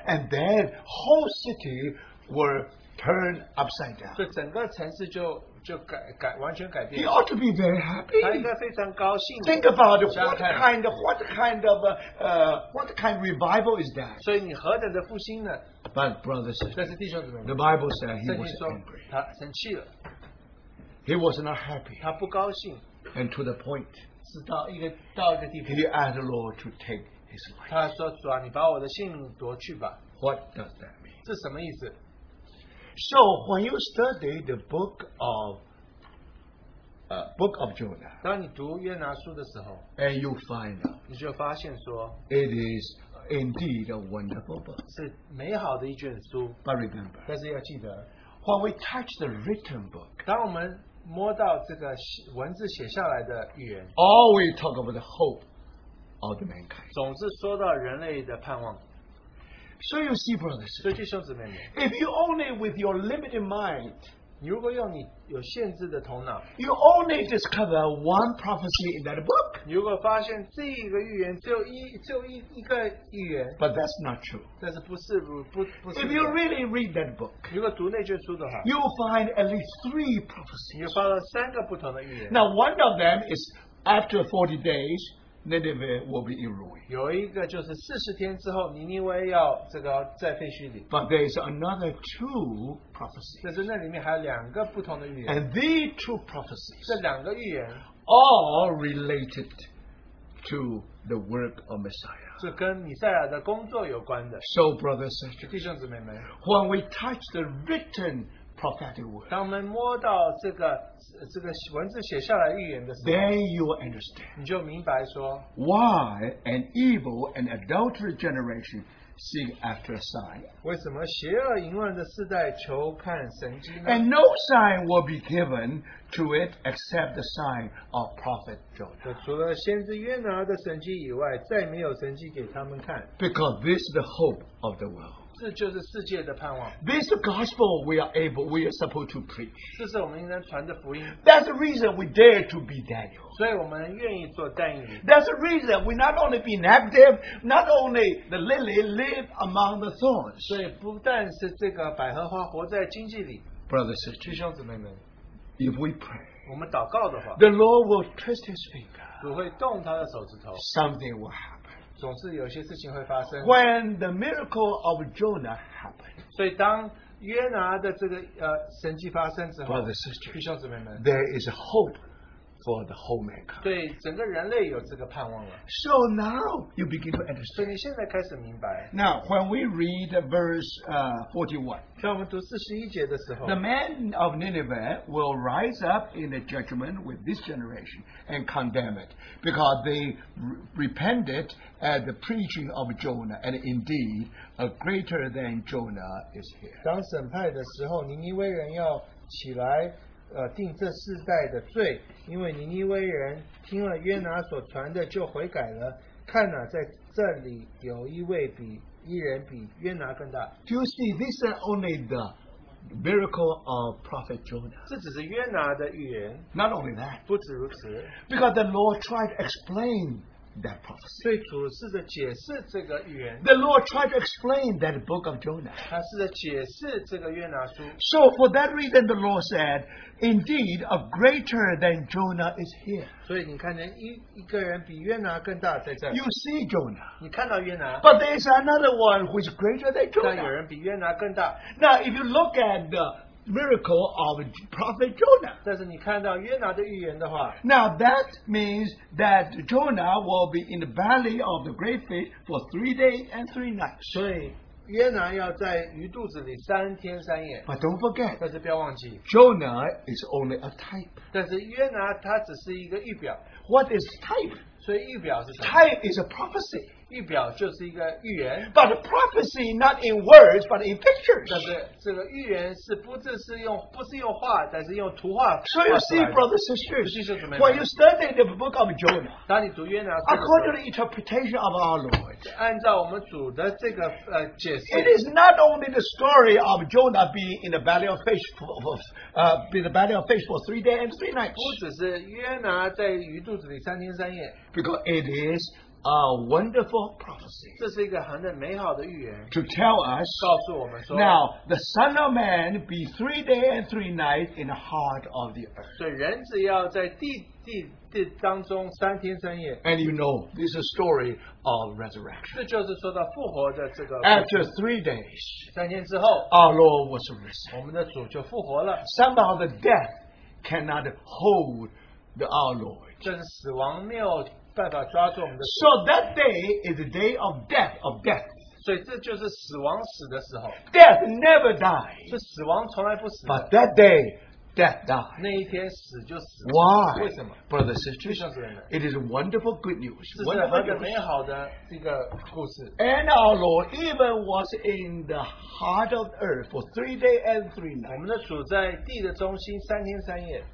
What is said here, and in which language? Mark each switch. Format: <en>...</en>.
<en>and then whole city were turned upside down.</en> <zh>所以整个城市就改完全改变。</zh> <en>He ought to be very happy.</en> <zh>他应该非常高兴。</zh> <en>Think about what kind of revival is that?</en> <zh>所以你何等的复兴呢?</zh> <en>But brothers,</en> <zh>但是弟兄姊妹们,</zh> <en>the Bible said he was angry.</en> <zh>他生气了。</zh> <en>He was not happy.</en> <zh>他不高兴,</zh> <en>and to the point,</en> <zh>直到一个,</zh> <en>he asked the Lord to take his life.</en> <zh>他说,主啊,你把我的性命夺去吧。</zh> <en>What does that mean?</en> <zh>这什么意思?</zh> <en>So when you study the book of Jonah,</en> <zh>当你读约拿书的时候,</zh> <en>and you find out,</en> <zh>你就发现说,</zh> <en>it is indeed a wonderful book.</en> <zh>是美好的一卷书,</zh> <en>but remember,</en> <zh>但是要记得,</zh> <en>when we touch the written book,</en> <zh>摸到这个文字写下来的语言,</zh> <en>all we talk about the hope of the mankind.</en> <zh>总是说到人类的盼望。</zh> <en>So you see, brothers,</en> <zh>所以弟兄姊妹们,</zh> <en>if you only with your limited mind,</en> <zh>如果用你有限制的头脑,</zh> <en>you only discover one prophecy in that book.</en> <zh>如果发现这个预言只有一个预言,</zh> <en>but that's not true.</en> <zh>但是不是,</zh> <en>if you really read that book,</en> <zh>如果读那卷书的话,</zh> <en>you'll find at least three prophecies.</en> <zh>你会发现三个不同的预言。</zh> <en>Now, one of them is after 40 days, Nineveh will be in ruin.</en> <zh>有一个就是40天之后, 尼尼微要这个在废墟里。</zh> <en>But there is another two prophecies.</en> <zh>但是那里面还有两个不同的预言。</zh> <en>And the two prophecies,</en> <zh>这两个预言,</zh> <en>all related to the work of Messiah.</en> <zh>是跟弥赛亚的工作有关的。</zh> <en>So, brothers and sisters,</en> <zh>弟兄姊妹们,</zh> <en>when we touch the written prophetic word,</en> <zh>当我们摸到这个文字写下来预言的时候,</zh> <en>then you will understand,</en> <zh>你就明白说,</zh> <en>why an evil and adulterous generation seek after a sign.</en> <zh>为什么邪恶淫乱的世代求看神迹呢?</zh> <en>And no sign will be given to it except the sign of prophet Jonah.</en> <zh>除了先知约拿的神迹以外, 再没有神迹给他们看。</zh> <en>Because this is the hope of the world. This gospel we are supposed to preach.</en> <zh>这是我们应该传的福音。</zh> <en>That's the reason we dare to be Daniel.</en> <zh>所以我们愿意做但以理。</zh> <en>That's the reason we not only be inactive, not only the lily live among the thorns.</en> <zh>所以不但是这个百合花活在荆棘里。</zh> <en>Brothers and sisters,</en> <zh>弟兄姊妹们,</zh> <en>if we pray,</en> <zh>我们祷告的话,</zh> <en>the Lord will twist his finger.</en> <zh>主会动他的手指头,</zh> <en>something will happen.</en> <zh>总是有些事情会发生。</zh> <en>When the miracle of Jonah happened,</en> <zh>所以当约拿的这个神迹发生之后,</zh> <en>brothers and sisters,</en> <zh>弟兄姊妹们,</zh> <en>there is a hope for the whole mankind.</en> <zh>对整个人类有这个盼望了。</zh> <en>So now you begin to understand.</en> <zh>所以你现在开始明白。</zh> <en>Now when we read verse 41,</en> <zh>像我们读41节的时候,</zh> <en>the man of Nineveh will rise up in the judgment with this generation and condemn it, because they repented at the preaching of Jonah, and indeed, a greater than Jonah is here.</en> <zh>当审判的时候, 尼尼微人要起来, 定这世代的罪, 因为尼尼微人听了约拿所传的就悔改了, 看哪, 在这里有一位比约拿更大。</zh> <en>Do you see, this is only the miracle of Prophet Jonah.</en> <zh>这只是约拿的预言。</zh> <en>Not only that,</en> <zh>不止如此,</zh> <en>because the Lord tried to explain that prophecy. The Lord tried to explain that book of Jonah. So for that reason, the Lord said, indeed, a greater than Jonah is here.</en> <zh>所以你看见一个人比约拿更大在这里。</zh> <en>You see Jonah.</en> <zh>你看到约拿,</zh> <en>but there is another one who is greater than Jonah.</en> <zh>但有人比约拿更大。</zh> <en>Now, if you look at the miracle of Prophet Jonah.</en> <zh>但是你看到约拿的预言的话,</zh> <en>now that means that Jonah will be in the belly of the great fish for 3 days and three nights.</en> <zh>所以约拿要在鱼肚子里三天三夜。</zh> <en>But don't forget,</en> <zh>但是不要忘记,</zh> <en>Jonah is only a type.</en> <zh>但是约拿他只是一个预表。</zh> <en>What is type?</en> <zh>所以预表是什么?</zh> <en>Type is a prophecy.</en> <zh>预表就是一个预言,</zh> <en>but a prophecy not in words, but in pictures.</en> <zh>但是这个预言是不是用画,</zh> <en>so you see, brothers and sisters, when you study the book of Jonah,</en> <zh>当你读约拿书的时候,</zh> <en>according to the interpretation of our Lord,</en> <zh>按照我们主的这个, 解释,</zh> <en>it is not only the story of Jonah being in the belly of fish for 3 days and three nights.</en> <zh>不只是约拿在鱼肚子里三天三夜,</zh> <en>because it is a wonderful prophecy.</en> <zh>这是一个很美好的预言,</zh> <en>to tell us,</en> <zh>告诉我们说,</zh> <en>now the Son of Man be 3 days and three nights in the heart of the earth.</en> <zh>所以人只要在地当中三天三夜,</zh> <en>and you know, this is a story of resurrection.</en> <zh>这就是说到复活的这个,</zh> <en>after 3 days,</en> <zh>三天之后,</zh> <en>our Lord was risen.</en> <zh>我们的主就复活了。</zh> <en>Somehow the death cannot hold our Lord.</en> <zh>但是死亡没有</zh> <en>So that day is the day of death, of death.</en> <zh>所以这就是死亡死的时候.</zh> <en>Death never dies.</en> <zh>是死亡从来不死的.</zh> <en>But that day, death died.</en> <zh>那一天死就死了.</zh> <en>Why?</en> <zh>为什么?</zh> <en>Brothers and sisters, it is wonderful good news.</en> <zh>这是很美好的一个故事.</zh> <en>And our Lord even was in the heart of earth for 3 days and 3 nights.</en> <zh>我们的主在地的中心3天3夜.</zh>